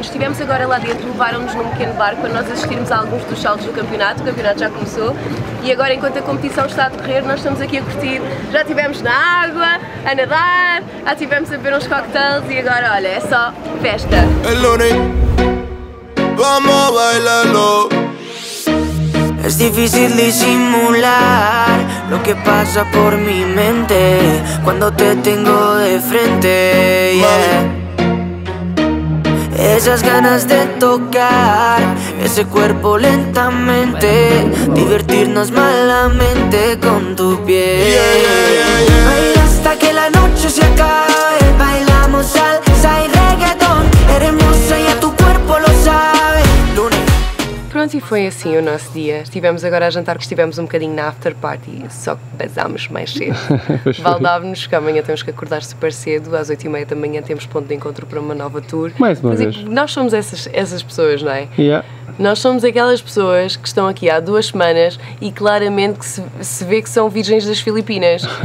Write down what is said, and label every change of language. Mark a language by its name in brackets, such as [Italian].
[Portuguese] Estivemos agora lá dentro, levaram-nos num pequeno barco para nós assistirmos a alguns dos saltos do campeonato. O campeonato já começou e agora, enquanto a competição está a decorrer, nós estamos aqui a curtir. Já estivemos na água, a nadar, já estivemos a beber uns cocktails e agora, olha, é só festa. [Spanish] Vamos bailando. Es difícil disimular lo que pasa por mi mente cuando te tengo de frente, yeah. Esas ganas de tocar ese cuerpo lentamente, divertirnos malamente con tu piel. Baila hasta que la noche se acabe, bailamos salsa y reggaeton. Hermosa y a tu cuerpo lo sabe. [Portuguese] Pronto, e foi assim o nosso dia. Estivemos agora a jantar, que estivemos um bocadinho na after party, só que basámos mais cedo. Valdava-nos que amanhã temos que acordar super cedo, às 8h30 da manhã temos ponto de encontro para uma nova tour. Mais uma vez. Nós somos essas pessoas, não é? Yeah. Nós somos aquelas pessoas que estão aqui há 2 semanas e claramente que se vê que são virgens das Filipinas.